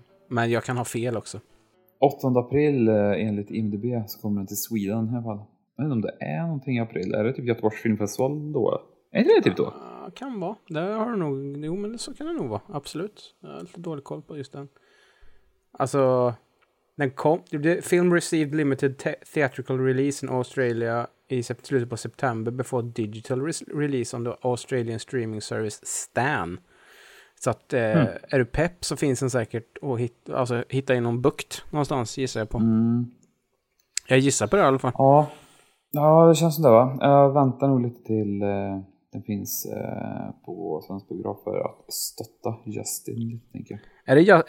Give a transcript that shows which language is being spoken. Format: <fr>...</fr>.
<sv>Men jag kan ha fel också. 8 april enligt IMDb så kommer den till Sweden i alla fall. Men om det är någonting i april, är det typ Göteborgs filmfestival då? Är det det typ då? Kan vara. Det har du nog. Jo, men så kan det nog vara. Absolut. Jag har lite dålig koll på just den. Alltså, den kom.</sv> <en>The film received limited theatrical release in Australia</en> <sv>i slutet på september</sv> <en>before digital release on the Australian streaming service Stan.</en> <sv>Så att är du pepp så finns den säkert att hitta i någon bukt någonstans, gissar jag på. Jag gissar på det i alla fall. Ja, det känns som det, va? Jag väntar nog lite till den finns på svensk biograf för att stötta Justin, tänker jag.</sv>